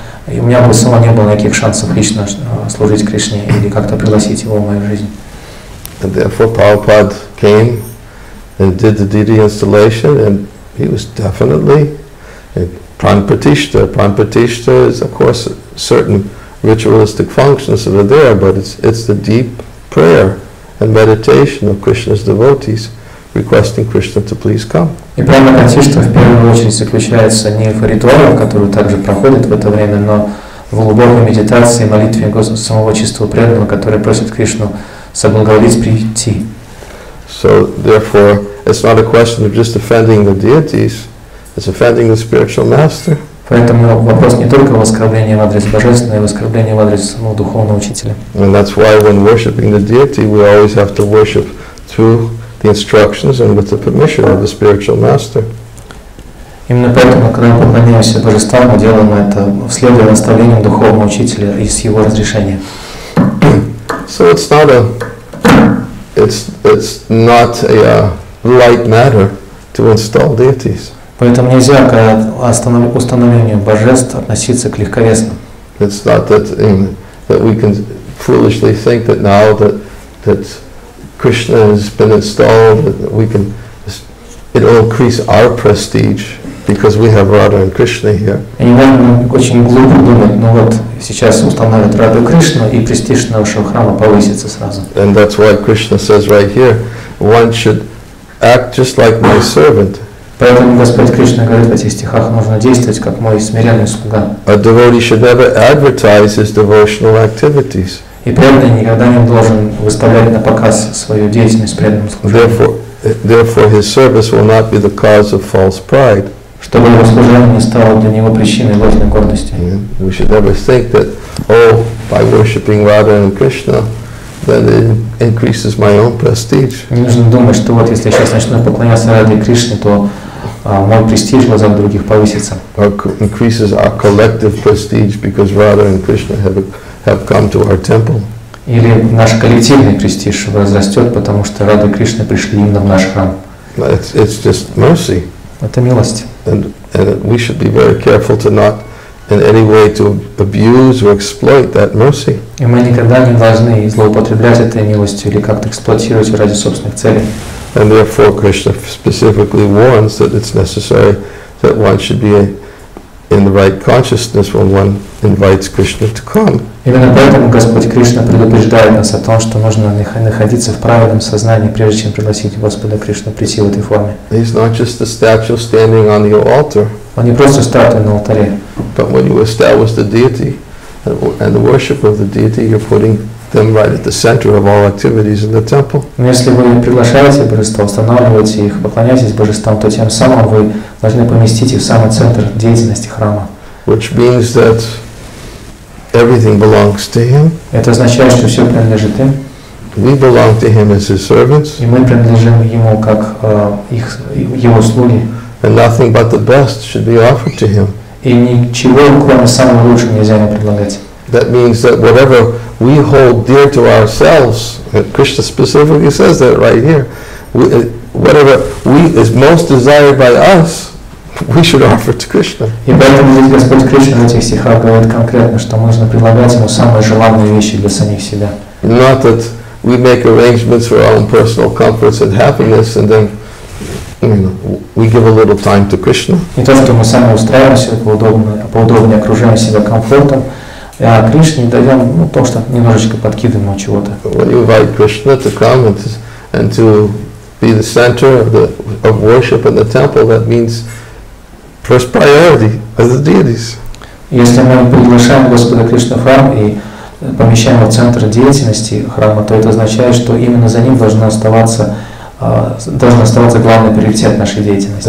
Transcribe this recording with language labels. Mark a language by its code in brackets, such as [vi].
[ru] И у меня бы само не было никаких шансов лично служить Кришне или как-то пригласить его в мою жизнь. [en] And therefore, Prabhupada came and did the Deity installation, and he was definitely pranapratishtha. Pranapratishtha is, of course, certain ritualistic functions that are there, but it's the deep prayer and meditation of Krishna's devotees requesting Krishna to please come. [ru] И пранапратишта в первую очередь заключается не в ритуалах, которые также проходят в это время, но в глубокой медитации, молитве самого чистого преданного, который просит Кришну соблаговолить прийти. [en] So therefore, it's not a question of just offending the deities, it's offending the spiritual master. [ru] Поэтому вопрос не только в оскорблении в адрес Божественного, а в оскорблении в адрес самого духовного учителя. [en] And that's why when worshipping the deity, we always have to worship through the instructions and with the permission of the spiritual master. [ru] Именно поэтому, когда мы поклоняемся Божествам, мы делаем это вследуя наставлениям духовного учителя и с его разрешения. [en] So it's not a light matter to install deities. [ru] Поэтому нельзя к установлению божеств относиться к легковесно. [en] It's not that we can foolishly think that now that Krishna has been installed, we can, it'll increase our prestige because we have Radha and Krishna here. [ru] И мы очень глупо думать, но вот сейчас установят Раду Кришну, и престиж нашего храма повысится сразу. [en] And that's why Krishna says right here, one should act just like my servant. [ru] Поэтому Господь Кришна говорит в этих стихах, нужно действовать как мой смиренный слуга. [en] A devotee should never advertise his devotional activities. [ru] И преданный никогда не должен выставлять на показ свою деятельность преданному служению. [en] Therefore, his service will not be the cause of false pride. [ru] Чтобы его служение не стало для него причиной ложной гордости. [en] Yeah. We should never think that, oh, by worshipping Radha and Krishna, then it increases my own prestige. [ru] Не нужно думать, что вот если я сейчас начну поклоняться Раде и Кришне, то мой престиж в глазах других повысится. [en] Or increases our collective prestige because Radha and Krishna have come to our temple. [ru] Или наш коллективный престиж возрастет, потому что Рада и Кришна пришли именно в наш храм. [en] It's just mercy. [ru] Это милость. [en] And we should be very careful to not in any way to abuse or exploit that mercy. [ru] И мы никогда не должны злоупотреблять этой милостью или как-то эксплуатировать ради собственных целей. [en] And therefore Krishna specifically warns that it's necessary that one should be in the right consciousness when one invites Krishna to come. [ru] Именно поэтому Господь Кришна предупреждает нас о том, что нужно находиться в правильном сознании, прежде чем пригласить Господа Кришну прийти в этой форме. [en] He's not just a statue standing on your altar. [ru] Он не просто статуя на алтаре. [en] But when you establish the deity and the worship of the deity, you're putting them right at the center of all activities in the temple. [ru] Но если вы приглашаете божества, устанавливаете их, поклоняетесь божествам, то тем самым вы должны поместить их в самый центр деятельности храма. [en] Which means that everything belongs to him. [ru] Это означает, что все принадлежит им. [en] We belong to him as his servants. [ru] И мы принадлежим ему как их его слуги. [en] And nothing but the best should be offered to him. [ru] И ничего кроме самого лучшего нельзя ему предлагать. [en] That means that whatever we hold dear to ourselves, Krishna specifically says that right here, whatever we is most desired by us, we should offer to Krishna. [ru] И поэтому ведь Господь Кришна в этих стихах говорит конкретно, что нужно предлагать ему самые желанные вещи для самих себя. [en] Not that we make arrangements for our own personal comforts and happiness, and then we give a little time to Krishna. [ru] Не то, что мы сами устраиваемся поудобнее, окружаем себя комфортом. А Кришне даем, ну, то, что немножечко подкидываем ему чего-то. [en] When you invite Krishna to come and to be the center of worship in the temple, that means first priority as the deities. [ru] Если мы приглашаем Господа Кришну в храм и помещаем его в центр деятельности храма, то это означает, что именно за ним должен оставаться главный приоритет нашей деятельности.